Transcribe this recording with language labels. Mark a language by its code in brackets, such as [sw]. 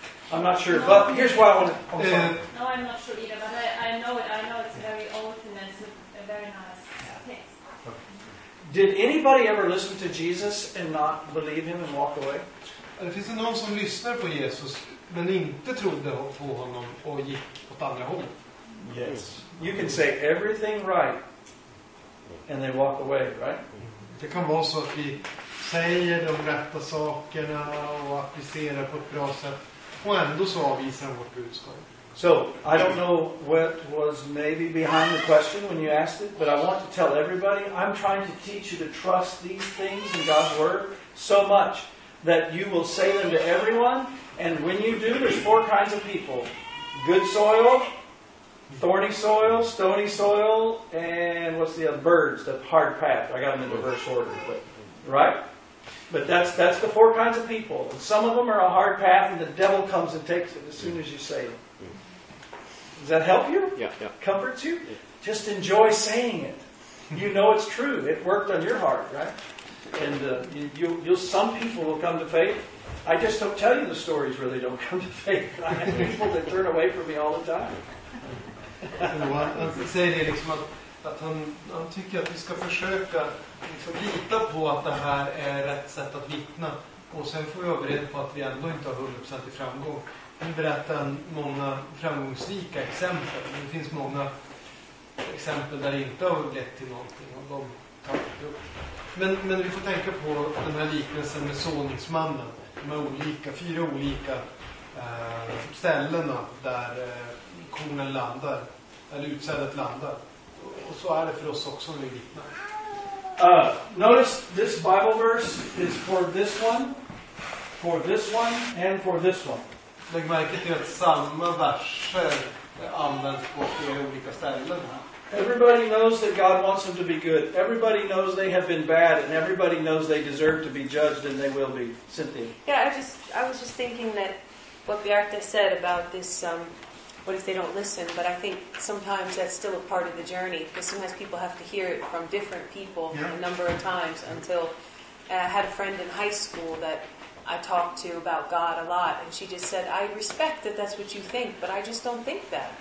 [en] I'm not sure, but here's why I want to... No, I'm not sure either, but I know it. I know it's very old and it's a very nice text. Did anybody ever listen to Jesus and not believe him and walk away? [sv] Finns det någon som lyssnar på Jesus men inte trodde på honom och gick åt andra hållet? [en] Yes. You can say everything right and they walk away, right? [sv] Det kan vara så att vi säger de rätta sakerna och applicerar på ett bra sätt och ändå så avvisar vårt budskap. [en] So, I don't know what was maybe behind the question when you asked it, but I want to tell everybody, I'm trying to teach you to trust these things in God's Word so much that you will say them to everyone, and when you do, there's four kinds of people. Good soil, thorny soil, stony soil, and what's the other? Birds, the hard path. I got them in reverse order, but, right? But that's the four kinds of people. And some of them are a hard path, and the devil comes and takes it as soon as you say it. Does that help you? Yeah. Comforts you? Yeah. Just enjoy saying it. You know it's true. It worked on your heart, right? And you'll some people will come to faith. I just don't tell you the stories where they don't come to faith. I have people that turn away from me all the time. [sv] Han säger det liksom att han tycker att vi ska försöka liksom lita på att det här är rätt sätt att vittna. Och sen får vi vara beredda på att vi ändå inte har 100% i framgång. Han berättar många framgångsrika exempel. Men det finns många exempel där det inte har lett till någonting. Och de tar det upp. Men vi får tänka på den här liknelsen med såningsmannen. De olika, fyra olika ställena där kornen landar, eller utsädet landar. Och så är det för oss också när vi vittnar. [en] Notice this Bible verse is for this one, and for this one. [sv] Lägg märke till att samma verser används på flera olika ställen. [en] Everybody knows that God wants them to be good. Everybody knows they have been bad, and everybody knows they deserve to be judged, and they will be. Cynthia. Yeah, I was just thinking that what Bjarte said about this, what if they don't listen? But I think sometimes that's still a part of the journey, because sometimes people have to hear it from different people a number of times until I had a friend in high school that I talked to about God a lot, and she just said, I respect that that's what you think, but I just don't think that.